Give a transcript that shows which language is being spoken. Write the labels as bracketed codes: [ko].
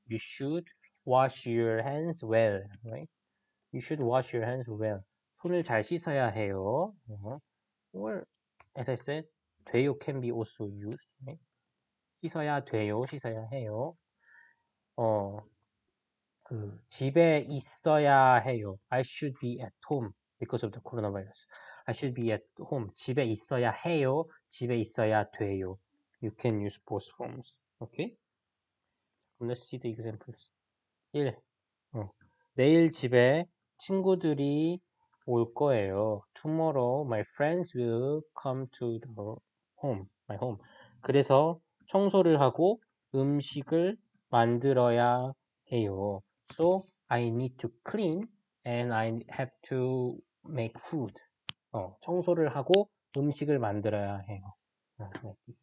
[en] You should wash your hands well, right? You should wash your hands well. [ko] 손을 잘 씻어야 해요. [en] Or, as I said, 돼요 can be also used, right? [ko] 씻어야 돼요, 씻어야 해요. 집에 있어야 해요. [en] I should be at home because of the coronavirus. I should be at home. [ko] 집에 있어야 해요, 집에 있어야 돼요. [en] You can use both forms, okay? Let's see the examples. 1. [ko] 내일 집에 친구들이 올 거예요. [en] Tomorrow, my friends will come to the home, my home. [ko] 그래서 청소를 하고 음식을 만들어야 해요. [en] So, I need to clean and I have to make food. [ko] 청소를 하고 음식을 만들어야 해요.